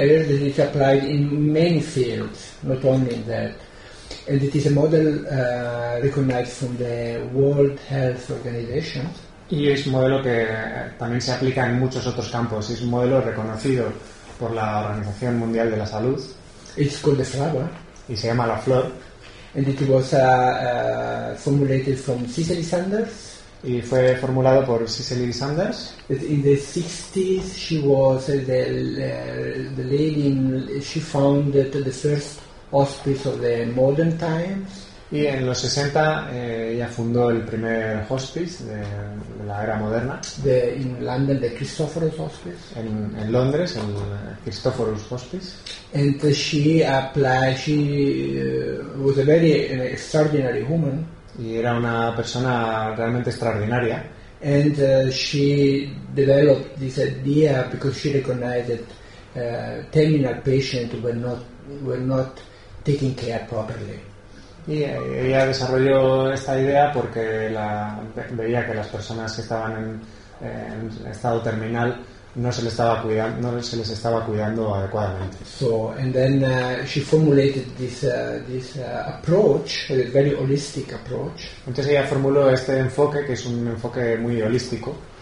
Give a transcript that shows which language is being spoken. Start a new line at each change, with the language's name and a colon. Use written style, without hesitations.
English: It is applied in many fields, not only in that. And it is a model recognized from the World Health Organization.
Spanish: Y es un modelo que también se aplica en muchos otros campos. Es un modelo reconocido por la Organización Mundial de la Salud.
English: It's called the flower.
Spanish: Y se llama la flor.
English: And it was formulated from Cicely Sanders.
Spanish: Y fue formulado por Cicely Sanders.
English: In the 60s, she was the lady. She founded the first hospice of the modern times.
Spanish: Y en los 60 ella fundó el primer hospice de la era moderna.
English: De in London, the Christophorus Hospice.
Spanish: En Londres, el Christophorus Hospice.
English: And she applied. She was a very extraordinary woman.
Spanish: Y era una persona realmente extraordinaria.
English: And she developed this idea because she recognized that terminal patients were not taken care properly.
Spanish: Y ella desarrolló esta idea porque veía que las personas que estaban en estado terminal no se les estaba cuidando adecuadamente.
English: So and then she formulated this approach, a very holistic approach.
Spanish: Entonces ella formuló este enfoque, que es un enfoque muy holístico,